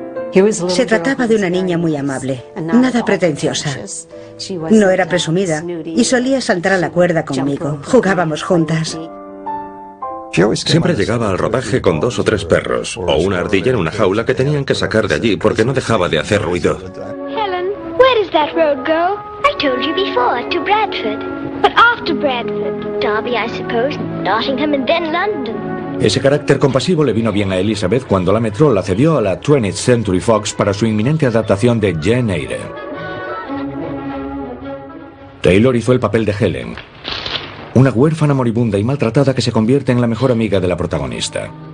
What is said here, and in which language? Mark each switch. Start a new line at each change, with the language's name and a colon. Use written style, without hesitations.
Spanish: Se trataba de una niña muy amable, nada pretenciosa. No era presumida y solía saltar a la cuerda conmigo. Jugábamos juntas. Siempre llegaba al rodaje con dos o tres perros o una ardilla en una jaula que tenían que sacar de allí porque no dejaba de hacer ruido.
English: Helen, where does that road go? I told you before, to Bradford. But after Bradford, Derby, I suppose, Nottingham and then London.
Spanish: Ese carácter compasivo le vino bien a Elizabeth cuando la Metro la cedió a la 20th Century Fox para su inminente adaptación de Jane Eyre. Taylor hizo el papel de Helen, una huérfana moribunda y maltratada que se convierte en la mejor amiga de la protagonista.